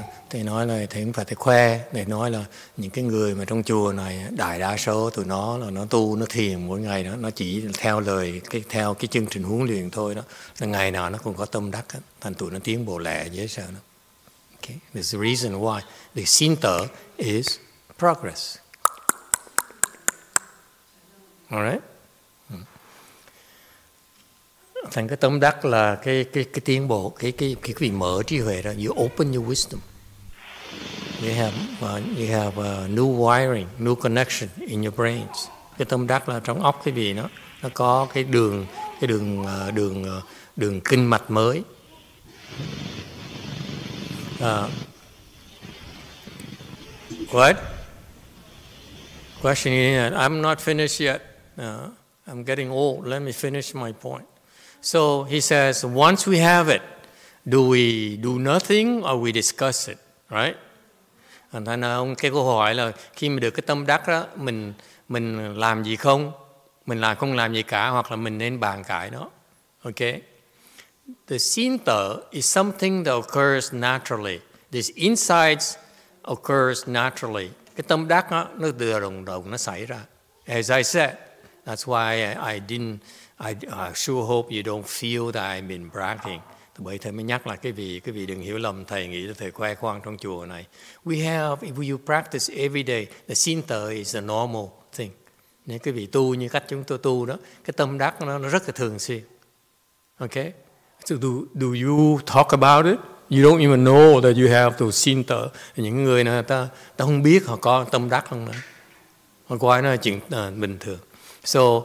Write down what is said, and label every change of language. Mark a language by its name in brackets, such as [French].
[Vietnamese] Thầy nói là thầy không phải thầy khoe, thầy nói là những cái người mà trong chùa này, đại đa số tụi nó là nó tu, nó thiền mỗi ngày đó, nó chỉ theo lời, theo cái chương trình huấn luyện thôi đó, là ngày nào nó cũng có tâm đắc đó, thành tụi nó tiến bộ lẹ dễ sợ đó. [English] Okay. There's a reason why. The Sinta is progress. [Vietnamese] Thành cái tâm đắc là cái tiến bộ, cái vị mở trí huệ đó. [English] You open your wisdom. You have new wiring, new connection in your brains. [Vietnamese] Cái tâm đắc là trong óc cái gì đó, nó có cái đường kinh mạch mới. [English] What? Question in hand. I'm not finished yet. I'm getting old. Let me finish my point. So he says, once we have it, do we do nothing or we discuss it, right? [Vietnamese] Thành ra ông cái câu hỏi là khi mình được cái tâm đắc đó, mình làm gì không? Mình làm không làm gì cả hoặc là mình nên bàn cãi nó. Okay? [English] The Sinta is something that occurs naturally. These insights occurs naturally. [Vietnamese] Cái tâm đắc đó, nó tự động động nó xảy ra. [English] As I said, that's why I sure hope you don't feel that I've been bragging. [Vietnamese] Bởi thầy mới nhắc là cái vị đừng hiểu lầm, thầy nghĩ là thầy khoe khoang trong chùa này. [English] We have, if you practice every day, the Sinta is a normal thing. [Vietnamese] Nếu cái vị tu như cách chúng tôi tu đó, cái tâm đắc nó rất là thường xuyên. [English] Okay? So do you talk about it? You don't even know that you have the Sinta. [Vietnamese] Những người này ta không biết họ có tâm đắc không nữa. Họ coi nó là chuyện bình thường. So